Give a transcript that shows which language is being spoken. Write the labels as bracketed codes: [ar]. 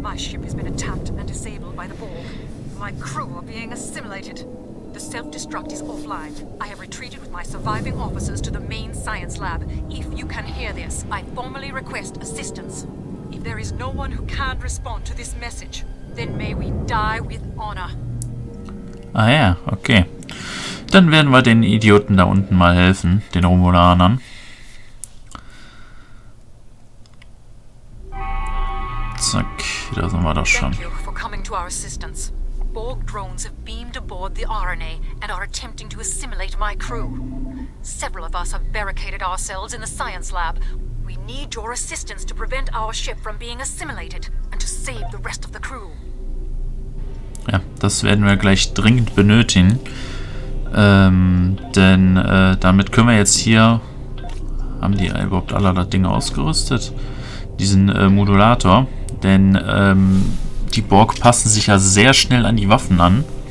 [en] My ship has been attacked and disabled by the Borg. My crew are being assimilated. The self-destruct is offline. I have retreated with my surviving officers to the main science lab. If you can hear this, I formally request assistance. If there is no one who can respond to this message, then may we die with honor. [de] Ah ja, okay. Dann werden wir den Idioten da unten mal helfen, den Romulanern. Zack, da sind wir doch schon. [en] Thank you for coming to our assistance. Borg drones have beamed aboard the RNA and are attempting to assimilate my crew. Several of us have barricaded ourselves in the science lab. We need your assistance to prevent our ship from being assimilated and to save the rest of the crew. [de] Ja, das werden wir gleich dringend benötigen. Damit können wir jetzt hier... Haben die überhaupt allerlei Dinge ausgerüstet? Diesen Modulator. Denn die Borg passen sich ja sehr schnell an die Waffen an.